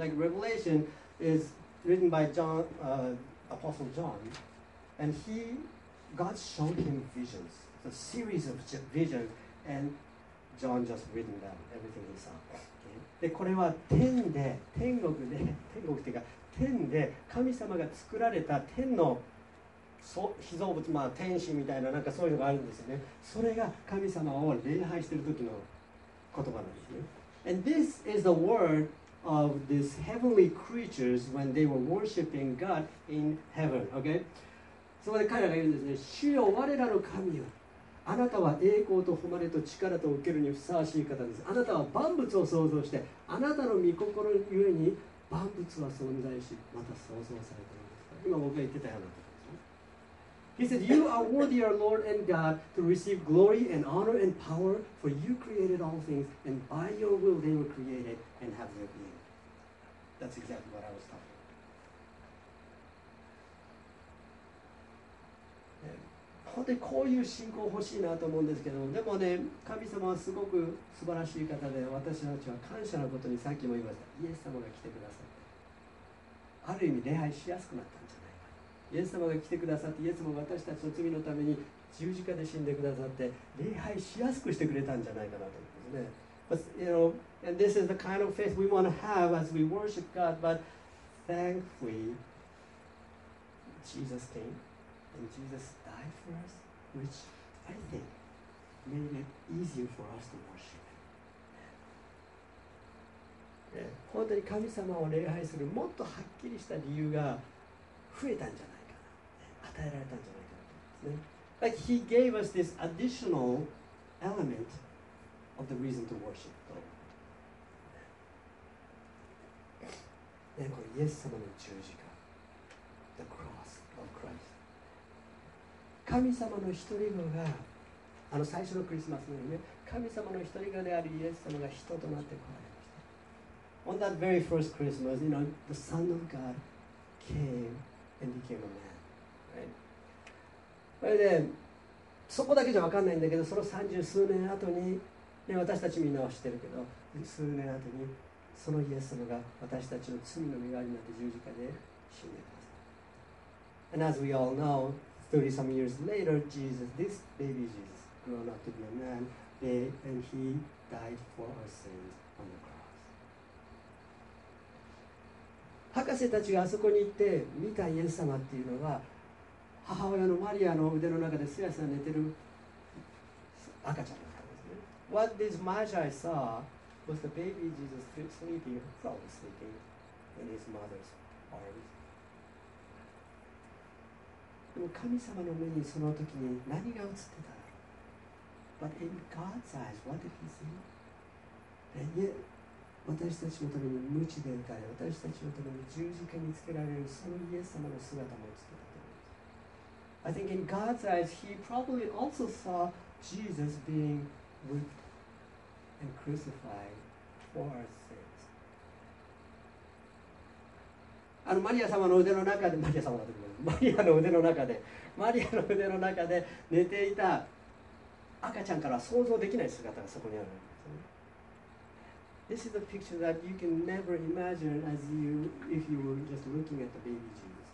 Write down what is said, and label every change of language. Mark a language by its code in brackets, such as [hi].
[en] Like Revelation is written by John, Apostle John, and he, God showed him visions, a series of visions, and John just written down everything he saw.、Okay? [ja] で、これは天で、天国で、天国っていうか、天で神様が作られた天の被造物、まあ、天使みたいな、なんかそういうのがあるんですよね。それが神様を礼拝している時の言葉なんですね。 [en] And this is the word of these heavenly creatures when they were worshiping God in heaven. Okay? [ja] そこで彼らが言うんですね。主よ、我らの神よ、あなたは栄光と誉れと力とを受けるにふさわしい方です。あなたは万物を創造して、あなたの御心ゆえに万物は存在し、また創造されているんです。今僕が言ってたような。 [en] He said, You are worthy, our Lord and God, to receive glory and honor and power, for you created all things, and by your will they were created and have their being. That's exactly what I was talking about. [ja] 本当にこういう信仰欲しいなと思うんですけど、でもね、神様はすごく素晴らしい方で、私たちは感謝のことに、さっきも言いました、イエス様が来てくださって、ある意味礼拝しやすくなったんじゃない。イエス様が来てくださって、イエス様が私たちの罪のために十字架で死んでくださって、礼拝しやすくしてくれたんじゃないかなと思うんですね。 [en] But, you know, and this is the kind of faith we want to have as we worship God, but thankfully Jesus came and Jesus died for us, which I think made it easier for us to worship. [ja] 本当に神様を礼拝するもっとはっきりした理由が増えたんじゃないかな、与えられたんじゃないかなと思うんですね。 [en] He gave us this additional element of the reason to worship、 [ja] ね、これイエス様の十字架、 [en] The cross of Christ、 [ja] 神様の一人子が、あの最初のクリスマスのようにね、神様の一人子であるイエス様が人となってこられました。 [en] On that very first Christmas, you know, the Son of God came and became a man、right? [ja] それでそこだけじゃ分かんないんだけど、その三十数年後に、ね、私たちみんなは知ってるけど、数年後にそのイエス様が私たちの罪の身代わりになって十字架で死んでます。 [en] And as we all know, 30 some years later, Jesus, this baby Jesus, grown up to be a man, and he died for our sins on the cross. [ja] 博士たちがあそこに行って見たイエス様っていうのは、母親のマリアの腕の中ですやすや寝てる赤ちゃんだったんですね。 [en] What this Magi saw was the baby Jesus sleeping, probably sleeping in his mother's arms. [ja] でも神様の目にその時に何が映ってたの [en] ？But in God's eyes, what did he see? [ja] いえ、私たちのために鞭で打たれ、私たちのために十字架につけられるそのイエス様の姿も映ってた。 [en] I think in God's eyes, he probably also saw Jesus being whipped and crucified for our sins. [ja] あのマリア様の腕の中で、マリア様だと思う。マリアの腕の中で、マリアの腕の中で寝ていた赤ちゃんから想像できない姿がそこにあるんですね。 [en] This is a picture that you can never imagine as you, if you were just looking at the baby Jesus.